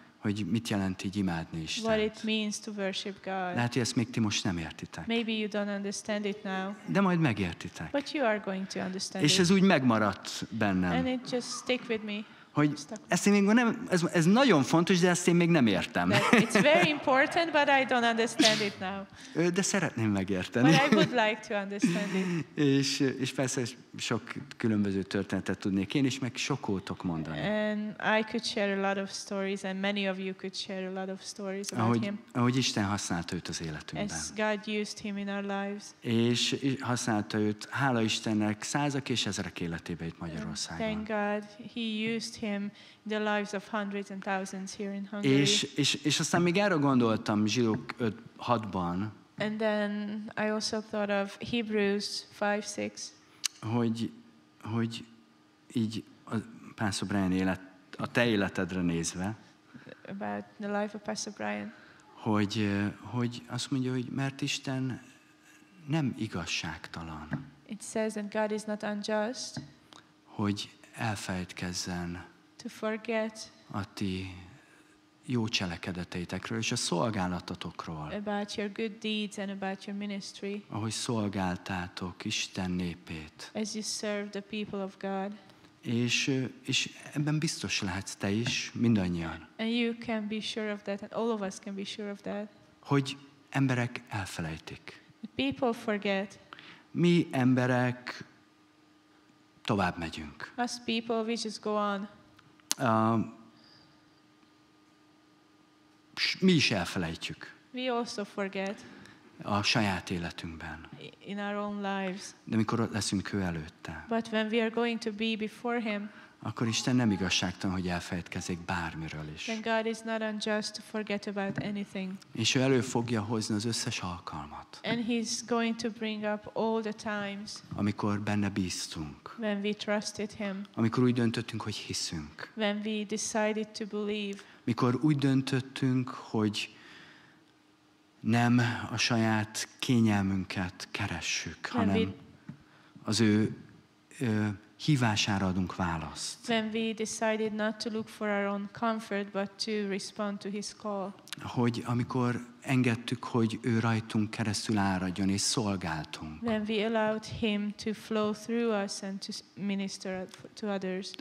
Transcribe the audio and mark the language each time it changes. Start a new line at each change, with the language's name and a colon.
Hungarian: Hogy mit jelent így imádni Istent.
English: What it means to worship God.
Hungarian: Lehet, hogy ezt még ti most nem értitek.
English: Maybe you don't understand it now.
Hungarian: De majd megértitek.
English: But you are going to understand.
Hungarian: És ez
English: it.
Hungarian: Úgy megmaradt bennem.
English: And it just stick with me.
Hungarian: Hogy ezt én még nem, ez nagyon fontos, de ezt én még nem értem.
English: It's very important, but I don't understand it now.
Hungarian: De szeretném megérteni.
English: But I would like to understand it.
Hungarian: És persze sok különböző történetet tudnék én is meg sokótok mondani.
English: And I could share a lot of stories, and many of you could share a lot of stories about him.
Hungarian: Ahogy Isten használta őt az életünkben.
English: As God used him in our lives.
Hungarian: És használta őt, hála Istennek, százak és ezerek életébe itt Magyarországon.
English: Thank God, he used him in the lives of hundreds and thousands here in Hungary.
Hungarian: És aztán még erre gondoltam Zsidók 5-6-ban.
English: And then I also thought of Hebrews 5-6.
Hungarian: Hogy így a Pastor Brian élet, a te életedre nézve.
English: About the life of Pastor Brian.
Hungarian: Hogy azt mondja, hogy mert Isten nem igazságtalan.
English: It says that God is not unjust.
Hungarian: Hogy elfelejtkezzen
English: to forget
Hungarian: a ti jó cselekedeteitekről és a szolgálatotokról.
English: About your good deeds and about your ministry.
Hungarian: Ahogy szolgáltátok Isten népét.
English: As you serve the people of God.
Hungarian: És ebben biztos lehetsz te is, mindannyian.
English: And you can be sure of that, and all of us can be sure of that.
Hungarian: Hogy emberek elfelejtik.
English: People forget.
Hungarian: Mi emberek tovább megyünk.
English: Us people, we just go on.
Hungarian: Mi is elfelejtjük.
English: We also forget.
Hungarian: A saját életünkben.
English: In our own lives.
Hungarian: De mikor ott leszünk ő előtte.
English: But when we are going to be before him.
Hungarian: Akkor Isten nem igazságtalan, hogy elfelejtkezik bármiről is.
English: Then God is not unjust to forget about anything.
Hungarian: És ő elő fogja hozni az összes alkalmat.
English: And he's going to bring up all the times.
Hungarian: Amikor benne bíztunk.
English: When we trusted him.
Hungarian: Amikor úgy döntöttünk, hogy hiszünk.
English: When we decided to believe.
Hungarian: Mikor úgy döntöttünk, hogy nem a saját kényelmünket keressük, hanem az ő hívására adunk választ.
English: When we decided not to look for our own comfort, but to respond to his call.
Hungarian: Hogy amikor engedtük, hogy ő rajtunk keresztül áradjon és szolgáltunk.
English: When we allowed him to flow through us and to minister to others.